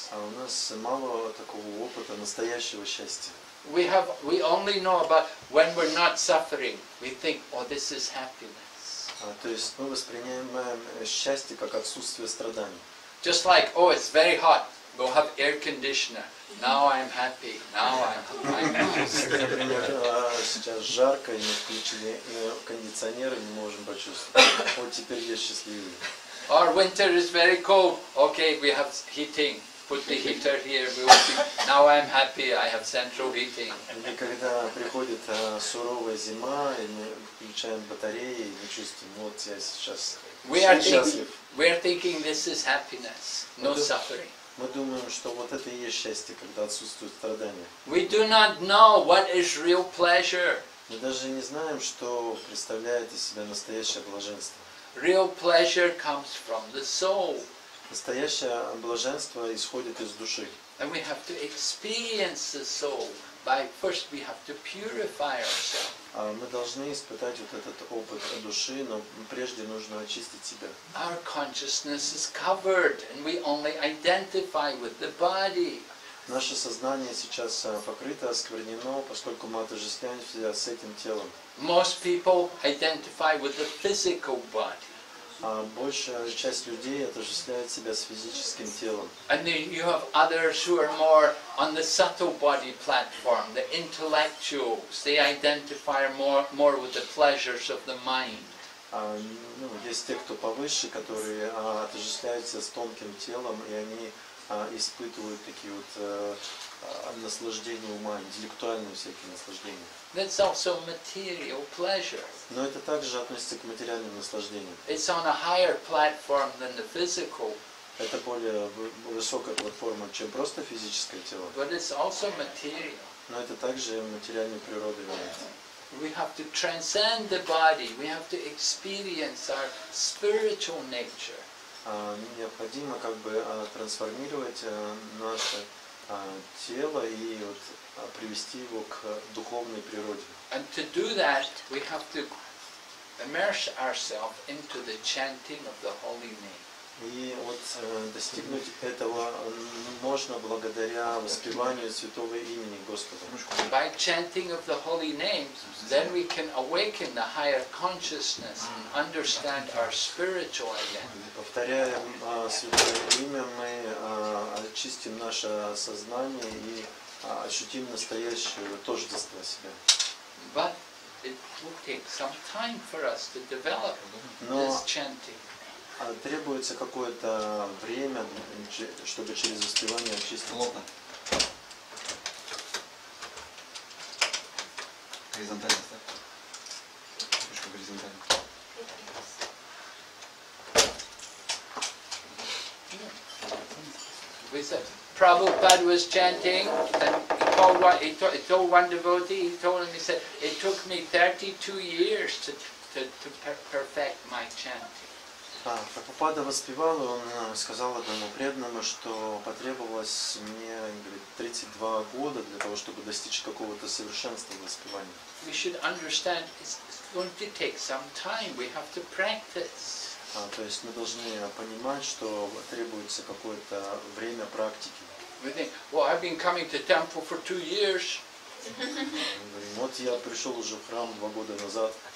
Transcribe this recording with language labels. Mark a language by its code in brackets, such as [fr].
[ru] А у нас мало такого опыта настоящего счастья. [en] We only know about when we're not suffering. We think, oh, this is happiness. [ru] То есть мы воспринимаем счастье как отсутствие страданий. [en] Just like, oh, it's very hot. We'll have air conditioner. Now I'm happy. Now I'm [ru] Например, сейчас жарко, и мы включили кондиционер, и не можем почувствовать. Вот теперь я счастливый. [en] Our winter is very cold. Okay, we have heating. Put the heater here. We will be... Now I'm happy. I have central heating. [ru] И когда приходит суровая зима, и мы включаем батареи, и мы чувствуем, вот я сейчас счастлив. [en] We are thinking this is happiness, no suffering. [ru] Мы думаем, что вот это и есть счастье, когда отсутствуют страдания. [en] We do not know what is real pleasure. [ru] Мы даже не знаем, что представляет из себя настоящее блаженство. [en] Real pleasure comes from the soul. [ru] Настоящее блаженство исходит из души. [en] And we have to experience the soul by first we have to purify ourselves. [ru] Мы должны испытать вот этот опыт души, но прежде нужно очистить себя. [en] Our consciousness is covered and we only identify with the body. [ru] Наше сознание сейчас покрыто, осквернено, поскольку мы отождествляемся с этим телом. [en] Most people identify with the physical body. [ru] А большая часть людей отождествляет себя с физическим телом. [en] And then you have others who are more on the subtle body platform, the intellectuals. They identify more with the pleasures of the mind. [ru] Есть те, кто повыше, которые отождествляются с тонким телом, и они испытывают такие вот наслаждения ума, интеллектуальные всякие наслаждения. [en] That's also material pleasure. [ru] Но это также относится к материальным наслаждениям. [en] It's on a higher platform than the physical. [ru] Это более высокая платформа, чем просто физическое тело. [en] But it's also material. [ru] Но это также материальной природы является. [en] We have to transcend the body. We have to experience our spiritual nature. [ru] Необходимо как бы трансформировать наше тело и вот привести его к духовной природе. [en] And to do that, we have to immerse ourselves into the chanting of the holy name. [ru] И вот достигнуть этого можно благодаря воспеванию святого имени Господа. [en] By chanting of the holy name, then we can awaken the higher consciousness and understand our spiritual identity. [ru] Повторяя святое имя, мы очистим наше сознание и ощутим настоящее тождество себя. [en] But it will take some time for us to develop this chanting. [ru] Требуется какое-то время, чтобы через воспевание очиститься. Горизонтально, да? Немножко горизонтально. [en] Prabhupada was chanting, and he told one devotee, he told him, he said, it took me 32 years to perfect my chanting. [ru] Прабхупада воспевал, он сказал одному преданному, что потребовалось мне 32 года для того, чтобы достичь какого-то совершенства в воспевании. [en] We should understand it's going to take some time. We have to practice. [ru] То есть мы должны понимать, что требуется какое-то время практики. [en] We think, well, I've been coming to temple for 2 years. [ru] Вот я пришел уже в храм 2 года назад.